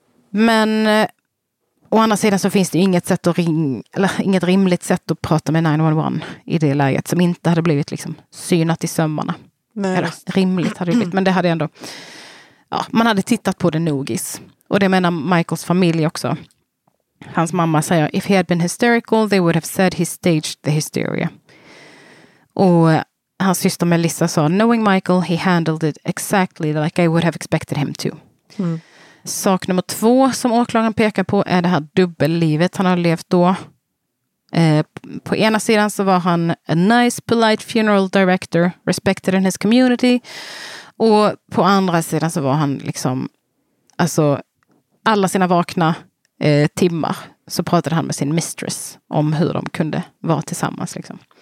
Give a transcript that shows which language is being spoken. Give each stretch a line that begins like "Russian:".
Swedish: Men å andra sidan så finns det inget sätt att ringa, eller inget rimligt sätt att prata med 911 i det läget som inte hade blivit liksom synat i sömmarna. Nej, eller, rimligt hade det blivit, men det hade ändå, ja, man hade tittat på det nogis. Och det menar Michaels familj också. Hans mamma säger,
English: if he had been hysterical they would have said he staged the hysteria.
Swedish: Och hans syster Melissa sa,
English: knowing Michael, he handled it exactly like I would have expected him to. Mm.
Swedish: Sak nummer två som åklagaren pekar på är det här dubbellivet han har levt då. På ena sidan så var han
English: a nice, polite funeral director, respected in his community.
Swedish: Och på andra sidan så var han liksom, alltså, alla sina vakna timmar så pratade han med sin mistress om hur de kunde vara tillsammans liksom.